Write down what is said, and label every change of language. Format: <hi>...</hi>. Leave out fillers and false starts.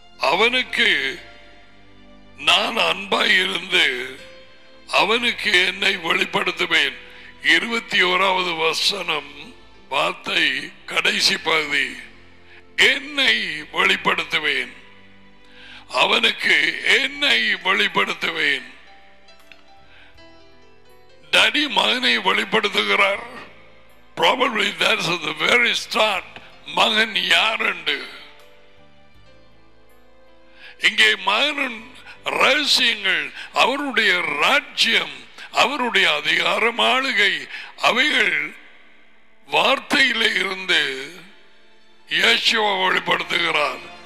<ta>அவனுக்கு நான் அன்பாயிருந்து அவனுக்கு என்னை வெளிப்படுத்துவேன். 21 வசனம் வார்த்தை கடைசி பகுதி, என்னை வெளிப்படுத்துவேன், அவனுக்கு என்னை வெளிப்படுத்துவேன். டாடி மகனை வெளிப்படுத்துகிறார்.</ta> <en>Probably that's the very start.</en> <ta>மகன் யார் என்று இங்கே மகனின் ரகசியங்கள், அவருடைய ராஜ்யம், அவருடைய அதிகார மாளிகை, அவைகள் வார்த்தையில இருந்து இயேசுவை வெளிப்படுத்துகிறார்.</ta>